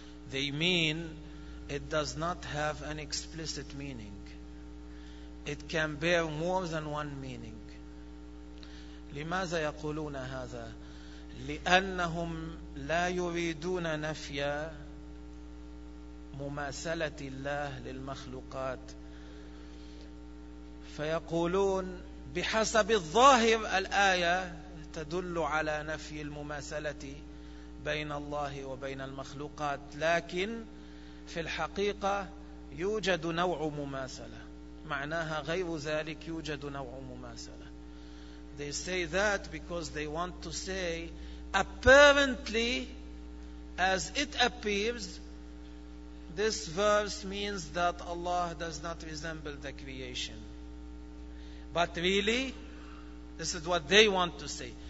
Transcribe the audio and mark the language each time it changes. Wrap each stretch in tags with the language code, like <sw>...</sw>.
<en>They mean it does not have an explicit meaning. It can bear more than one meaning.</en> <ar>لماذا يقولون هذا؟ لأنهم لا يريدون نفيا مماثلة الله للمخلوقات. فيقولون بحسب الظاهر الآية تدل على نفي المماثلة بين الله وبين المخلوقات، لكن في الحقيقة يوجد نوع مماثلة. معناها غير ذلك يوجد نوع مماثلة.</ar> <en>They say that because they want to say apparently as it appears this verse means that Allah does not resemble the creation. But really, this is what they want to say.</en>